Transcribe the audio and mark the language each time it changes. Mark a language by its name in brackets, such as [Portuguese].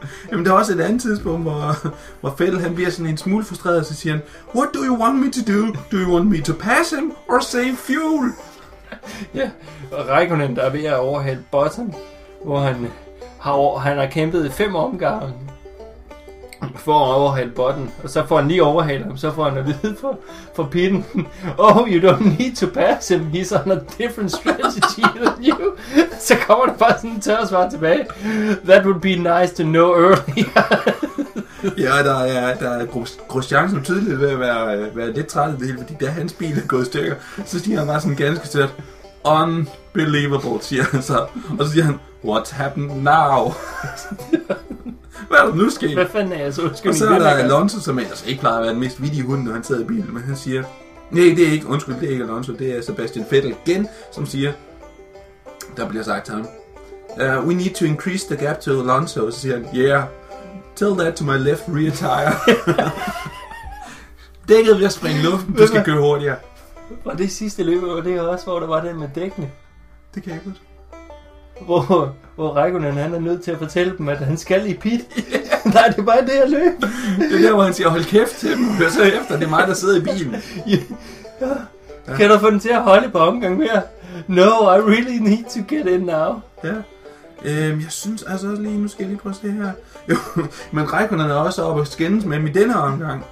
[Danish] Jamen, der er også et andet tidspunkt, hvor Vettel, han bliver sådan en smule frustreret, og så siger han, [English] what do you want me to do? Do you want me to pass him or save fuel? [Danish] Ja, og Räikkönen, der er ved at overhale Button, hvor han har kæmpet 5 omgange for at overhale Button, og så får han lige overhalet ham, så får han at vide for pitten, [English] oh, you don't need to pass him, he's on a different strategy than you. [Danish] Så kommer der bare sådan en tør svar tilbage, [English] that would be nice to know earlier. [Danish] Ja, der er Christian, som tydeligt ved at være lidt træt af det hele, fordi da hans bil er gået i stykker, så stiger han bare sådan ganske tørt. Unbelievable, siger han så. Og så siger han, [English] what's happened now? [Danish] Hvad er der nu sket? Hvad fanden er jeg så? Og så er der Alonso, som ellers ikke plejer at være den mest vidige hund, når han sidder i bilen, men han siger, nej, det er ikke, undskyld, det er ikke Alonso, det er Sebastian Vettel igen, som siger, der bliver sagt til ham, [English] we need to increase the gap to Alonso, [Danish] så siger han, [English] yeah, tell that to my left rear tire. [Danish] Dækket ved at springe luften, du skal køre hurtigere. Og det sidste løb, og det er også, hvor der var det med dækkene. Det kan jeg godt. Hvor Räikkönen, han er nødt til at fortælle dem, at han skal i pit. Yeah. Nej, det er bare det her løb. Det er der, hvor han siger, hold kæft til dem. Hør så efter, det er mig, der sidder i bilen. Ja. Kan du få den til at holde på omgang mere? [English] No, I really need to get in now. [Danish] Ja. Jeg synes altså også lige, nu skal jeg lige prøve at se her. Jo, men Räikkönen er også oppe og skændes med ham i denne omgang.